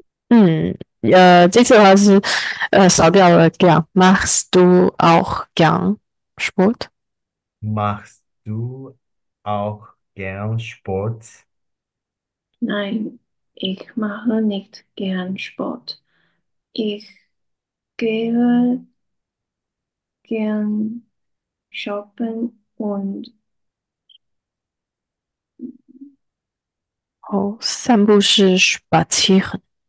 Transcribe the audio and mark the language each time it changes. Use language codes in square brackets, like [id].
[zh] 这次的话是，少掉了 gern。 [de] Machst du auch gern Sport？ Machst du auch gern Sport? Nein, ich mache nicht gern Sport. Ich gehe gern shoppen und [zh] 哦，散步是 spazieren。